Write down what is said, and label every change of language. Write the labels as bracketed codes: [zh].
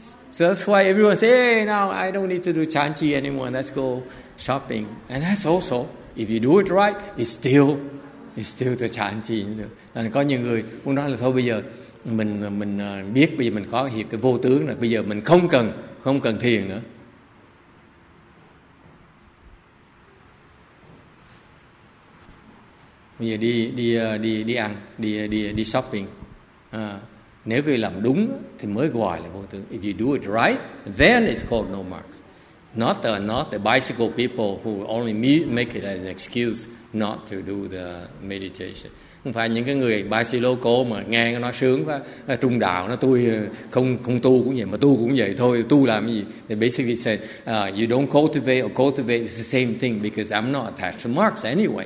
[en] So that's why everyone says, hey, now I don't need to do chan chi anymore. Let's go shopping. And that's also, if you do it right, it's still the chan chi. [vi] Là có nhiều người muốn nói là thôi bây giờ mình biết bây giờ mình có hiện cái vô tướng là bây giờ mình không cần thiền nữa. Bây giờ đi shopping. Nếu người làm đúng thì mới gọi là vô tướng. [en] If you do it right, then it's called no marks. Not the bicycle people who only make it as an excuse not to do the meditation. [vi] Không phải những cái người ba si lô cô mà nghe nó sướng quá, trung đạo nó tôi không tu cũng vậy, mà tu cũng vậy thôi, tu làm gì? [en] They basically said, you don't cultivate or cultivate, it's the same thing because I'm not attached to Marx anyway.